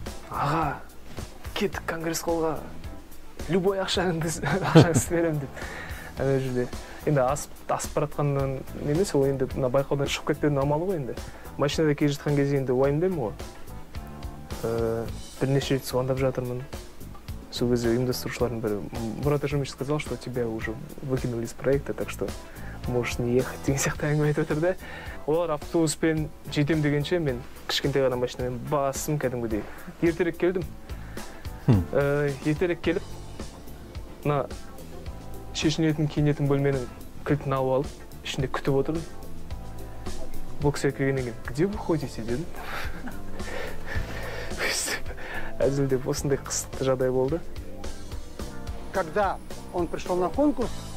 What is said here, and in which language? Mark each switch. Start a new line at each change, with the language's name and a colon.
Kazakh: Аға, кеттік конгресс қолға, любой ақшаңды беремін деп. Ана жерде. Енді асып баратқаннан емес, ол енді мына байқаудан шығып кетпеудің амалы ғой енді. Машинада келе жатқан кезде енді уайымдаймын ғой. Бірнеше рет звондап жатырмын. Сол кезде ұйымдастырушылардың бірі
Russian: Мұрат Ажымович сказал, что тебя уже выкинули из проекта, так что можешь не ехать
Kazakh: деген сияқты әңгіме айтып отыр да. Олар автобуспен жетем дегенше мен кішкентай ғана машинамен басым кәдімгідей ертерек келдім. Ертерек келіп мына шешінетін киінетін бөлменің кілтін алып алып ішінде күтіп отырдым. Бұл кісілер кіргеннен кейін
Russian: где вы ходите
Kazakh: дедім. Әзілдеп осындай қызықты жағдай болды.
Russian: Когда он пришел на конкурс.